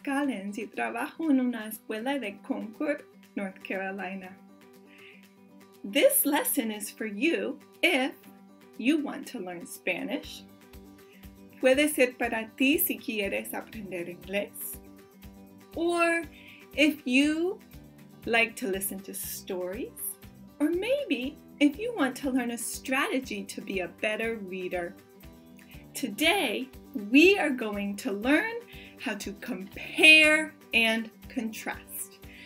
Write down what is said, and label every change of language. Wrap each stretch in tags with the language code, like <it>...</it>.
<es>Collins y trabajo en una escuela de Concord, North Carolina.</es> <en>This lesson is for you if you want to learn Spanish.</en> <es>Puede ser para ti si quieres aprender inglés.</es> <en>Or if you like to listen to stories. Or maybe if you want to learn a strategy to be a better reader. Today, we are going to learn how to compare and contrast.</en>